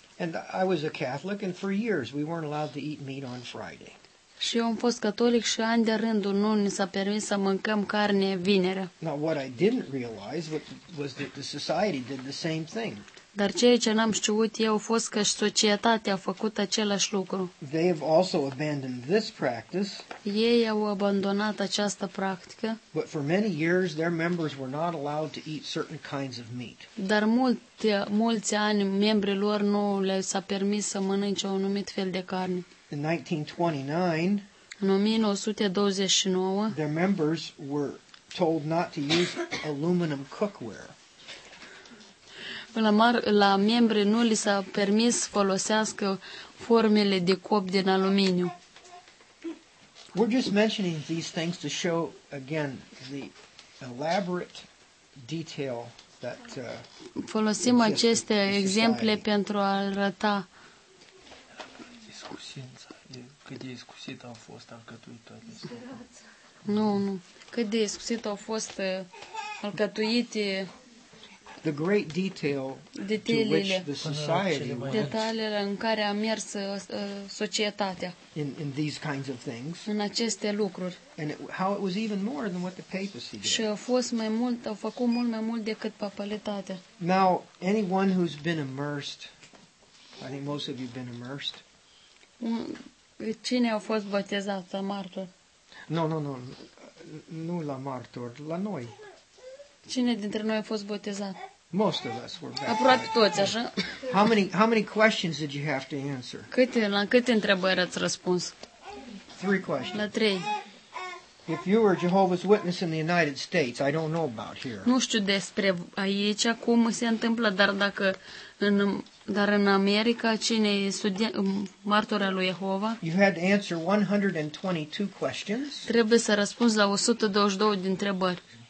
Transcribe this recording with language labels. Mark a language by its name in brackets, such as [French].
[English] And I was a Catholic and for years we weren't allowed to eat meat on Friday. [Romanian] Și eu am fost catolic și ani de rând nu ni s-a permis să mâncăm carne vinerea. [English] Now what I didn't realize was that the society did the same thing. [Romanian] Dar ceea ce n-am știut eu a fost că și societatea a făcut același lucru. [English] They have also abandoned this practice. [Romanian] Ei au abandonat această practică. [English] But for many years their members were not allowed to eat certain kinds of meat. [Romanian] Dar mulți ani membrii lor nu le s-a permis să mănânce un anumit fel de carne. [English] In 1929, [Romanian] în 1929, [English] their members were told not to use aluminum cookware. [Romanian] la membri nu li s-a permis folosească formele de cop din aluminiu. [English] We're just mentioning these things to show again the elaborate detail that [Romanian] folosim aceste exemple pentru a arăta discuția cât de discutat a fost alcătuitul. Nu, cât de discutat a fost alcătuite [English] the great detail [Romanian] detaliile, [English] to which the society went, [Romanian] detaliile în care a mers societatea [English] in these kinds of things, [Romanian] în aceste lucruri. [English] And how it was even more than what the papacy did. [Romanian] Și a fost mai mult, au făcut mult mai mult decât papalitatea. [English] Now, anyone who's been immersed, I think most of you've been immersed. [Romanian] Cine a fost botezat, la martor? No, nu la martor, la noi. Cine dintre noi a fost botezat? [English] Most of us were baptized. [Romanian] Aproape toți, așa? [English] How many questions did you have to answer? [Romanian] La câte întrebări ați răspuns? [English] Three questions. [Romanian] La trei. [English] If you were Jehovah's Witness in the United States, I don't know about here. [Romanian] Nu știu despre aici cum se întâmplă, dar dacă în America cine e martorul lui Jehova? [English] You had to answer 122 questions. [Romanian] Trebuie să răspunzi la 122 de întrebări.